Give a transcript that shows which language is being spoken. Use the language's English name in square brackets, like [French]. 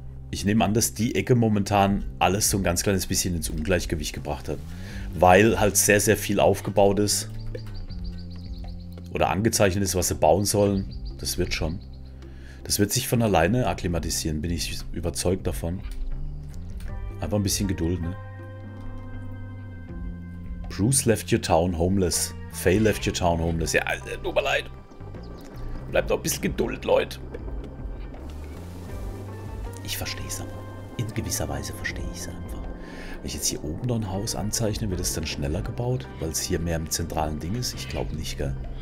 [German] Ich nehme an, dass die Ecke momentan alles so ein ganz kleines bisschen ins Ungleichgewicht gebracht hat, weil halt sehr, sehr viel aufgebaut ist oder angezeichnet ist, was sie bauen sollen. Das wird schon. Das wird sich von alleine akklimatisieren, bin ich überzeugt davon. Einfach ein bisschen Geduld, ne? [English] Bruce left your town homeless. Faye left your town homeless. [German] Ja, tut mir leid. Bleibt noch ein bisschen Geduld, Leute. Ich verstehe es aber. In gewisser Weise verstehe ich es einfach. Wenn ich jetzt hier oben noch ein Haus anzeichne, wird es dann schneller gebaut, weil es hier mehr im zentralen Ding ist? Ich glaube nicht, gell?